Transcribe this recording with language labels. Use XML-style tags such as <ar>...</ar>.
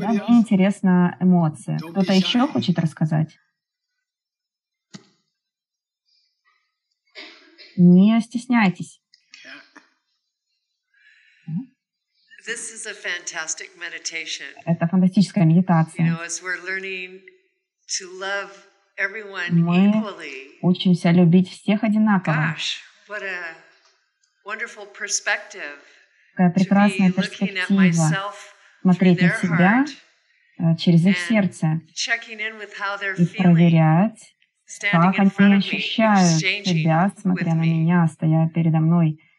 <ru>Мне интересна эмоция. Кто-то еще хочет рассказать? Не стесняйтесь.</ru> <en>This is a fantastic meditation.</en> <ru>Это фантастическая медитация.</ru> <en>You know, as we're learning to love everyone equally.</en> <ru>Мы учимся любить всех одинаково.</ru> <en>Gosh, what a wonderful perspective.</en> <ru>Какая прекрасная перспектива. Смотреть на себя через их сердце.</ru> <en>Checking in with how they're feeling.</en> <ru>И проверять, как они ощущают себя, смотря на меня, стоя передо мной.</ru>